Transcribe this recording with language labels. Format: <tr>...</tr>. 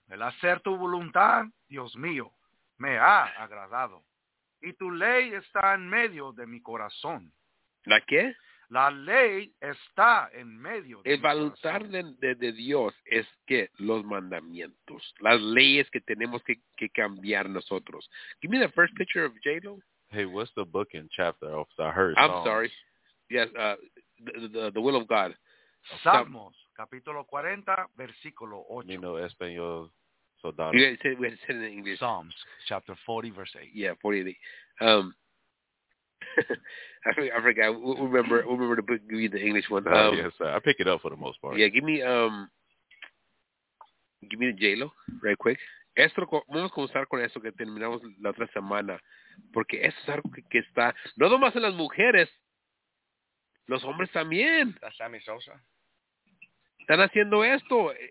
<es>El hacer tu voluntad, Dios mío, me ha agradado. Y tu ley está en medio de mi corazón. ¿La qué? La ley está en medio de mi corazón. El voluntad de Dios es que los mandamientos, las leyes que tenemos que cambiar nosotros.</es> <en>Give me the first picture of J-Lo. Hey, what's the book and chapter of the Hurt? I'm sorry. Yes, the will of God.</en> <es>Salmos, capítulo 40, versículo 8.</es> <en>You know, español. So you guys said it in English. Psalms, chapter 40, verse 8. Yeah, 48. I forgot. We'll remember to give you the English one. Yes, I pick it up for the most part. Yeah, give me the J-Lo, right quick.</en> <es>Esto, vamos a comenzar con esto que terminamos la otra semana. Porque eso es algo que está, no nomás en las mujeres, los hombres también. La Sammy Sosa. Están haciendo esto.</es>